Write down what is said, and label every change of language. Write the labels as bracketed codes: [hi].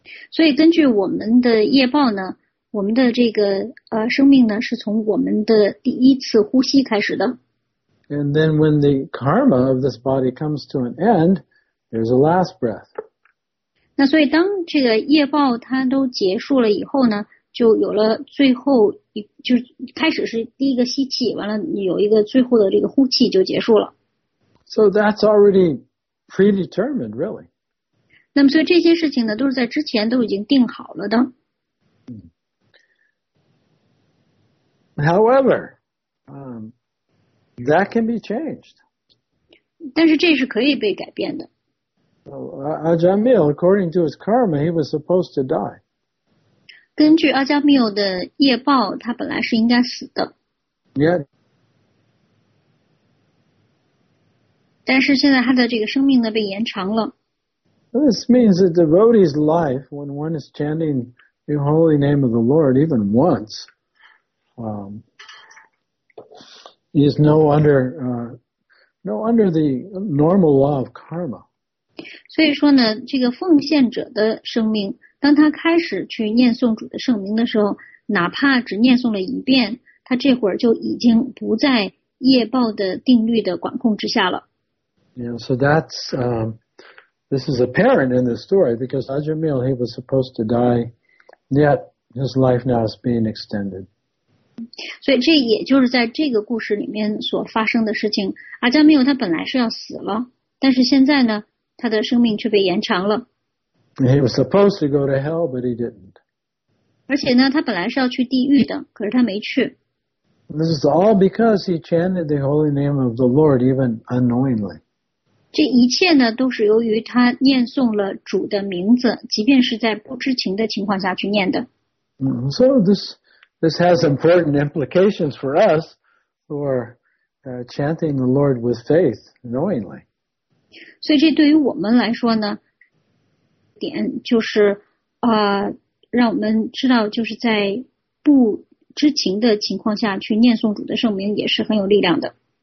[zh] 所以根据我们的业报呢，我们的这个生命呢是从我们的第一次呼吸开始的。 [en] And then when the karma of this body comes to an end, there's a last breath. [zh] 那所以当这个业报它都结束了以后呢，就有了最后一，就开始是第一个吸气，完了有一个最后的这个呼气就结束了。 [en] So that's already predetermined, really. [zh] 那么所以这些事情呢，都是在之前都已经定好了的。 [en] However, that can be changed. [zh] 但是这是可以被改变的。 [en] Ajahn Mill, according to his karma, he was supposed to die. [zh] 根据阿加米尔的业报，他本来是应该死的。 Yeah. 但是现在他的这个生命呢被延长了。 [en] This means that the devotee's life, when one is chanting the holy name of the Lord even once, is no under the normal law of karma. [zh] 所以说呢，这个奉献者的生命，当他开始去念诵主的圣名的时候，哪怕只念诵了一遍，他这会儿就已经不在业报的定律的管控之下了。 [en] Yeah, so that's, this is apparent in this story because Ajahn Mill, he was supposed to die, yet his life now is being extended. [zh] 所以这也就是在这个故事里面所发生的事情。阿加缪他本来是要死了，但是现在呢，他的生命却被延长了。 [en] He was supposed to go to hell, but he didn't. [zh] 而且呢，他本来是要去地狱的，可是他没去。 [en] This is all because he chanted the holy name of the Lord even unknowingly. [zh] 这一切呢都是由于他念诵了主的名字，即便是在不知情的情况下去念的。 [en] So this has important implications for us who are chanting the Lord with faith knowingly. [zh] 所以这对于我们来说呢，点就是让我们知道就是在不知情的情况下去念诵主的圣名也是很有力量的。